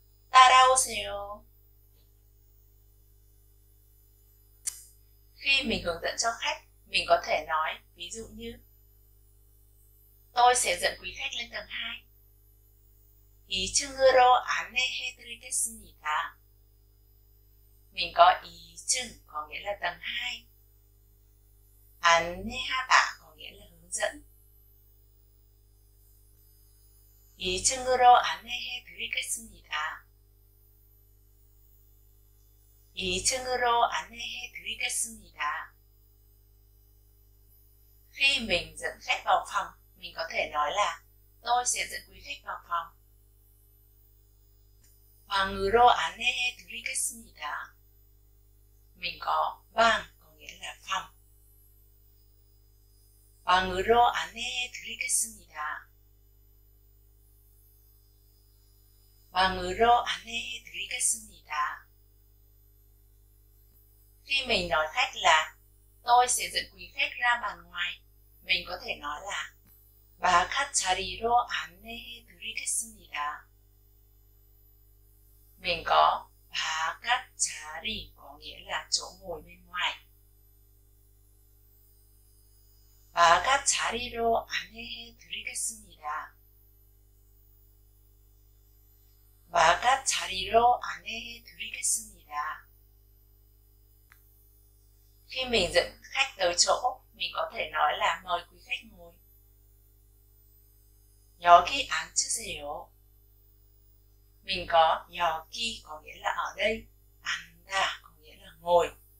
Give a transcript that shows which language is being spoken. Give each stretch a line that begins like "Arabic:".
Korean: 따라오세요.
Vietnamese: Khi mình hướng dẫn cho khách, mình có thể nói ví dụ như tôi sẽ dẫn quý khách lên tầng 2.
Korean: 2층으로 안내해드리겠습니다.
Vietnamese: Mình có 2층 có nghĩa là tầng 2. 안내하다 có nghĩa là hướng dẫn.
Korean: 2층으로 안내해드리겠습니다. 2층으로 안내해드리겠습니다.
Vietnamese: Khi mình dẫn khách vào phòng, mình có thể nói là tôi sẽ dẫn quý khách vào phòng.
Korean: 방으로 안내해드리겠습니다.
Vietnamese: Mình có 방 có nghĩa là phòng.
Korean: 방으로 안내해드리겠습니다. 방으로 안내해드리겠습니다.
Vietnamese: Khi mình nói khách là tôi sẽ dẫn quý khách ra bàn ngoài, mình có thể nói là
Korean: 바깥자리로 안내해드리겠습니다.
Vietnamese: Mình có 바깥자리 có nghĩa là chỗ ngồi bên ngoài.
Korean: Và các 자리로 안내해 드리겠습니다. 바가 자리로 안내해 드리겠습니다.
Vietnamese: Khi mình dẫn khách tới chỗ, mình có thể nói là mời quý khách ngồi.
Korean: 여기 앉으세요.
Vietnamese: Mình có 여기 có nghĩa là ở đây, 앉다 có nghĩa là ngồi.